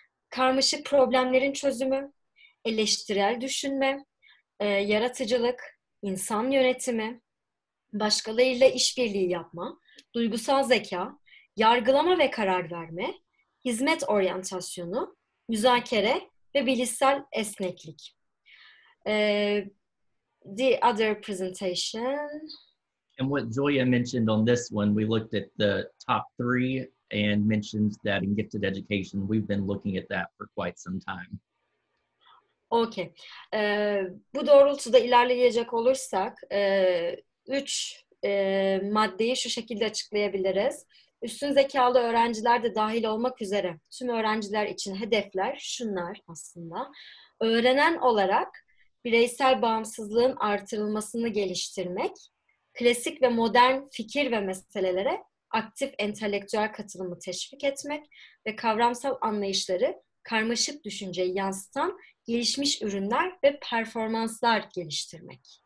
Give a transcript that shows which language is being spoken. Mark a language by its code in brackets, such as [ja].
[tr] Karmaşık problemlerin çözümü, eleştirel düşünme, yaratıcılık, insan yönetimi, başkalarıyla işbirliği yapma, duygusal zeka, yargılama ve karar verme, hizmet oryantasyonu, müzakere ve bilişsel esneklik. [en] The other presentation. And what Julia mentioned on this one, we looked at the top three and mentioned that in gifted education, we've been looking at that for quite some time. Okay. [tr] Bu doğrultuda ilerleyecek olursak, üç maddeyi şu şekilde açıklayabiliriz. Üstün zekalı öğrenciler de dahil olmak üzere tüm öğrenciler için hedefler şunlar aslında. Öğrenen olarak bireysel bağımsızlığın artırılmasını geliştirmek, klasik ve modern fikir ve meselelere aktif entelektüel katılımı teşvik etmek ve kavramsal anlayışları karmaşık düşünceyi yansıtan gelişmiş ürünler ve performanslar geliştirmek.